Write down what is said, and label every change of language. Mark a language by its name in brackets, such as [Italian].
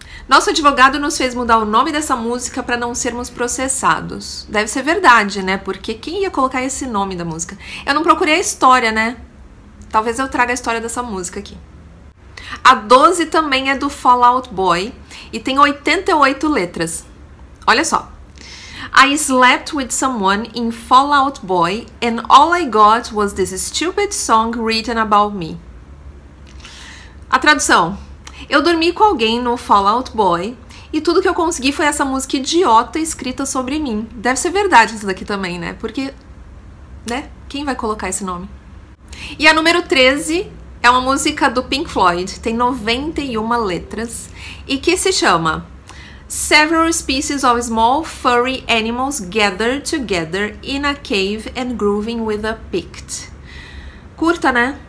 [Portuguese] Nosso advogado nos fez mudar o nome dessa música para não sermos processados. Deve ser verdade, né? Porque quem ia colocar esse nome da música? Eu não procurei a história, né? Talvez eu traga a história dessa música aqui. A 12 também é do Fall Out Boy e tem 88 letras. Olha só. [English] I slept with someone in Fall Out Boy and all I got was this stupid song written about me. [Portuguese] A tradução. Eu dormi com alguém no Fall Out Boy e tudo que eu consegui foi essa música idiota escrita sobre mim. Deve ser verdade isso daqui também, né? Porque, né? Quem vai colocar esse nome? E a número 13 é uma música do Pink Floyd, tem 91 letras e que se chama [English] Several species of small furry animals gathered together in a cave and grooving with a pict. [Portuguese] Curta, né?